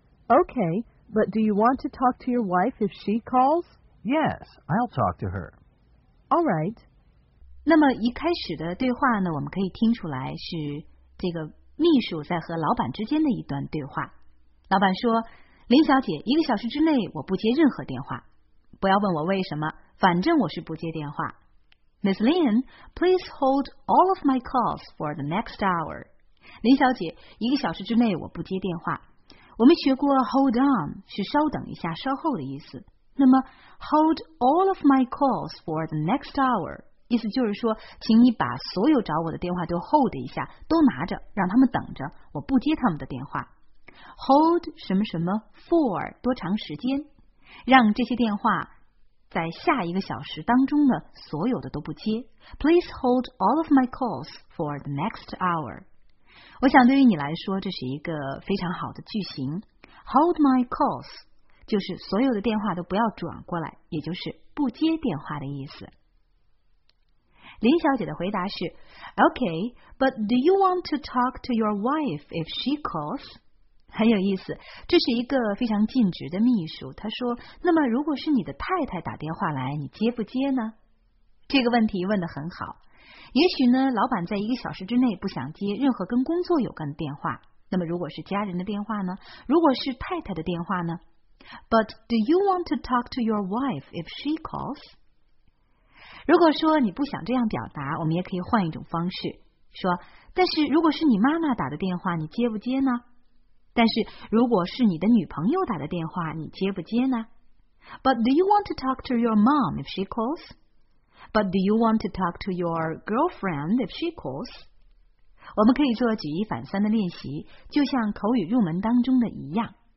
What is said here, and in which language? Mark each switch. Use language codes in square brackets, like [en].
[en] Okay, but do you want to talk to your wife if she calls? Yes, I'll talk to her. All right. [zh] 那么一开始的对话呢，我们可以听出来是这个秘书在和老板之间的一段对话。老板说，林小姐，一个小时之内我不接任何电话，不要问我为什么，反正我是不接电话。 [en] Miss Lin, please hold all of my calls for the next hour. [zh] 林小姐，一个小时之内我不接电话。我们学过 hold on 是稍等一下、稍后的意思。那么 [en] hold all of my calls for the next hour [zh] 意思就是说，请你把所有找我的电话都 hold 一下，都拿着，让他们等着，我不接他们的电话。 Hold 什么什么 for 多长时间，让这些电话在下一个小时当中呢，所有的都不接。 [en] Please hold all of my calls for the next hour. [zh] 我想对于你来说，这是一个非常好的句型。 [en] Hold my calls [zh] 就是所有的电话都不要转过来，也就是不接电话的意思。林小姐的回答是 [en] Okay, but do you want to talk to your wife if she calls? [zh] 很有意思，这是一个非常尽职的秘书。他说，那么如果是你的太太打电话来，你接不接呢？这个问题问得很好。也许呢，老板在一个小时之内不想接任何跟工作有关的电话。那么如果是家人的电话呢？如果是太太的电话呢？ [en] But do you want to talk to your wife if she calls? [zh] 如果说你不想这样表达，我们也可以换一种方式，说，但是如果是你妈妈打的电话，你接不接呢？但是如果是你的女朋友打的电话，你接不接呢？ [en] But do you want to talk to your mom if she calls? But do you want to talk to your girlfriend if she calls? [zh] 我们可以做举一反三的练习，就像口语入门当中的一样。